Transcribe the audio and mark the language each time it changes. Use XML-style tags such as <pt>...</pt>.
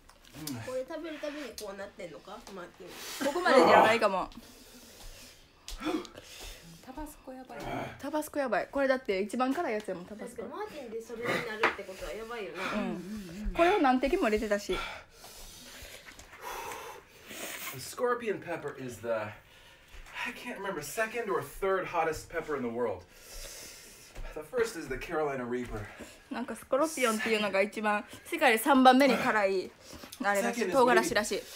<ja>これ食べるたびにこうなってんのか？まあ、ここまでじゃないかも。タバスコやばい。タバスコやばい。これだって一番辛いやつやもん。タバスコ。マーティンでそれになるってことはやばいよな。うん、これを何滴も入れてたし。</ja> <en>Scorpion pepper is the I can't remember second or third hottest pepper in the world. The first is the Carolina Reaper.</en> <ja>なんかスコロピオンっていうのが一番世界で3番目に辛いあれらしい、唐辛子らしい。</ja>